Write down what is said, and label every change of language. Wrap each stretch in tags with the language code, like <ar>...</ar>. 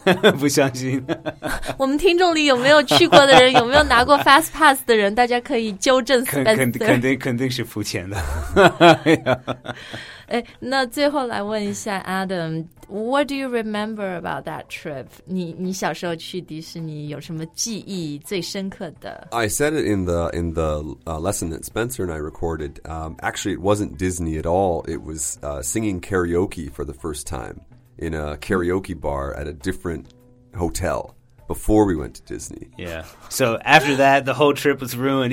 <zh>我不相信，不相信。我们听众里有没有去过的人，有没有拿过 fast pass 的人，大家可以纠正。肯定是付钱的。哎，那最后来问一下</zh> <en>Adam, what do you remember about that trip?</en> <zh>你小时候去迪士尼有什么记忆最深刻的？</zh> <en>I said it in the lesson that Spencer and I recorded. Actually, it wasn't Disney at all. It was singing karaoke for the first time in a karaoke bar at a different hotel. before we went to Disney. Yeah. So after that, the whole trip was ruined.</en>